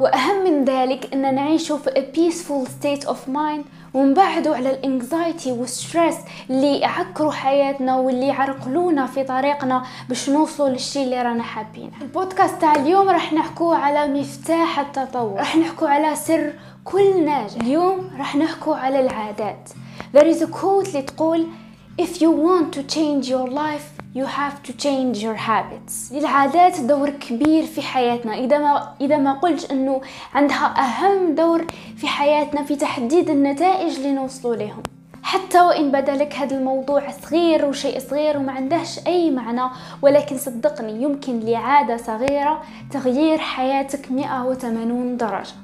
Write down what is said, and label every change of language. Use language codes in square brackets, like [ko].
[ar] وأهم من ذلك إن نعيش في [en] a peaceful state of mind، [ar] ونبعده على الانكزايتي والستريس اللي يعكروا حياتنا واللي يعرقلونا في طريقنا باش نوصلوا للشيء اللي رانا حابينه. البودكاست تاع اليوم راح نحكو على مفتاح التطور، راح نحكو على سر كل ناجح. اليوم راح نحكو على العادات. [en] There is a quote [ar] اللي تقول [en] If you want to change your life you have to change your habits. [ar] للعادات دور كبير في حياتنا. اذا ما قلتش انه عندها اهم دور في حياتنا في تحديد النتائج اللي نوصلوا لهم. حتى وان بدا لك هذا الموضوع صغير وشيء صغير وما عندهش اي معنى، ولكن صدقني يمكن لعاده صغيره تغيير حياتك 180 درجه.